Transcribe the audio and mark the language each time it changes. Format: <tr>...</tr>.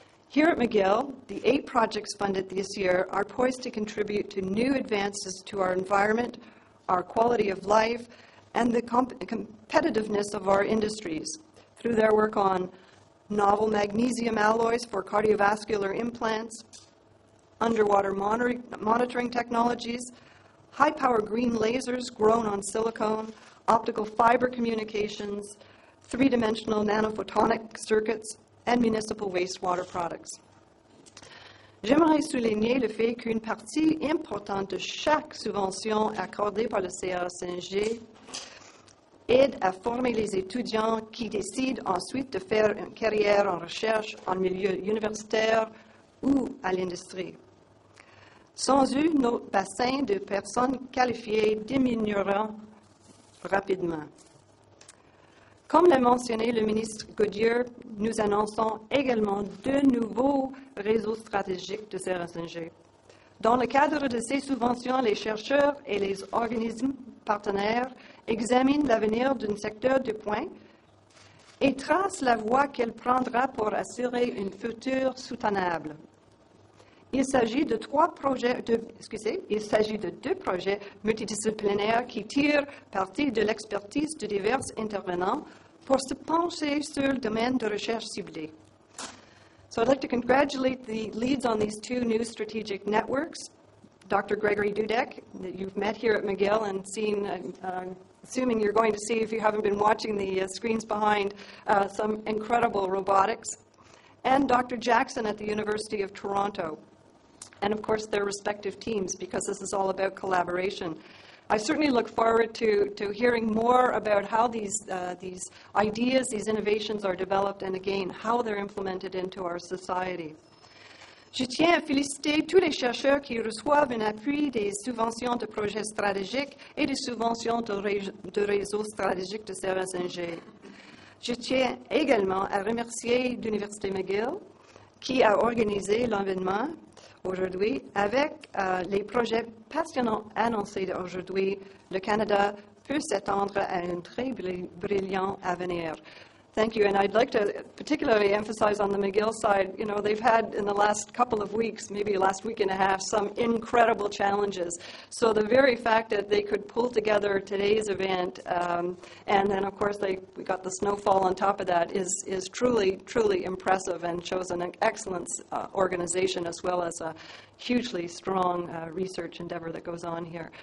<en>Here at McGill, the 8 projects funded this year are poised to contribute to new advances to our environment, our quality of life, and the competitiveness of our industries through their work on novel magnesium alloys for cardiovascular implants, underwater monitoring technologies, high-power green lasers grown on silicone, optical fiber communications, three-dimensional nanophotonic circuits, and municipal wastewater products.</en> <fr>J'aimerais souligner le fait qu'une partie importante de chaque subvention accordée par le CRSNG aide à former les étudiants qui décident ensuite de faire une carrière en recherche en milieu universitaire ou à l'industrie. Sans eux, notre bassin de personnes qualifiées diminuera rapidement. Comme l'a mentionné le ministre Godieu, nous annonçons également 2 nouveaux réseaux stratégiques de CRSNG. Dans le cadre de ces subventions, les chercheurs et les organismes partenaires examinent l'avenir d'un secteur de pointe et tracent la voie qu'elle prendra pour assurer une future soutenable. Il s'agit de 3 projets, il s'agit de 2 projets multidisciplinaires qui tirent parti de l'expertise de divers intervenants pour se pencher sur le domaine de recherche ciblé.</fr> <en>So I'd like to congratulate the leads on these 2 new strategic networks, Dr. Gregory Dudek, that you've met here at McGill and seen, assuming you're going to see if you haven't been watching the screens behind, some incredible robotics, and Dr. Jackson at the University of Toronto. And, of course, their respective teams, because this is all about collaboration. I certainly look forward to hearing more about how these ideas, these innovations are developed, and, again, how they're implemented into our society.</en> <fr>Je tiens à féliciter tous les chercheurs qui reçoivent un appui des subventions de projets stratégiques et des subventions de réseaux stratégiques de CRSNG. Je tiens également à remercier l'Université McGill qui a organisé l'événement aujourd'hui avec les projets passionnants annoncés aujourd'hui. Le Canada peut s'attendre à un très brillant avenir.</fr> <en>Thank you, and I'd like to particularly emphasize on the McGill side, you know, they've had in the last couple of weeks, maybe last week and a half, some incredible challenges. So the very fact that they could pull together today's event, and then, of course, we got the snowfall on top of that, is truly, truly impressive and shows an excellent organization as well as a hugely strong research endeavor that goes on here.</en>